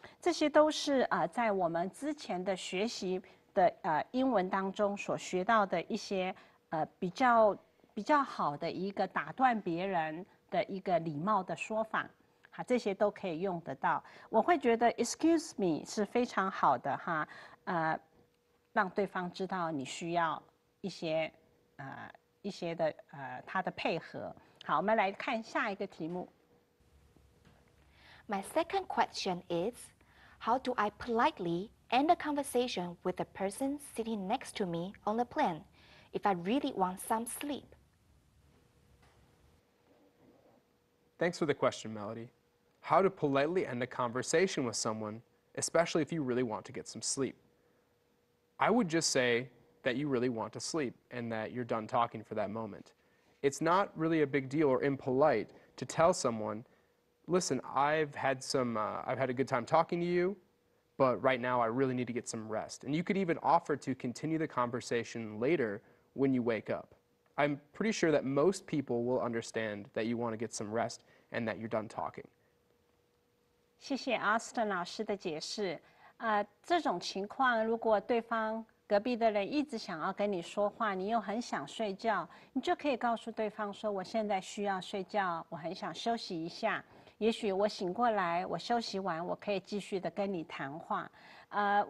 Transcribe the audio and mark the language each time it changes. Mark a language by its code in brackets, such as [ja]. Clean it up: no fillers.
[zh] 这些都是在我们之前的学习的英文当中所学到的一些比较好的一个打断别人的一个礼貌的说法，好，这些都可以用得到。我会觉得 [en] excuse me [zh] 是非常好的哈，让对方知道你需要一些的他的配合。好，我们来看下一个题目。 [en] My second question is. How do I politely end a conversation with the person sitting next to me on the plane if I really want some sleep? Thanks for the question, Melody. How to politely end a conversation with someone, especially if you really want to get some sleep. I would just say that you really want to sleep and that you're done talking for that moment. It's not really a big deal or impolite to tell someone, listen, I've had a good time talking to you, but right now I really need to get some rest. And you could even offer to continue the conversation later when you wake up. I'm pretty sure that most people will understand that you want to get some rest and that you're done talking. [zh] 谢谢 Austin 老师的解释。这种情况，如果对方隔壁的人一直想要跟你说话，你又很想睡觉，你就可以告诉对方说：“我现在需要睡觉，我很想休息一下。也许我醒过来，我休息完，我可以继续的跟你谈话。”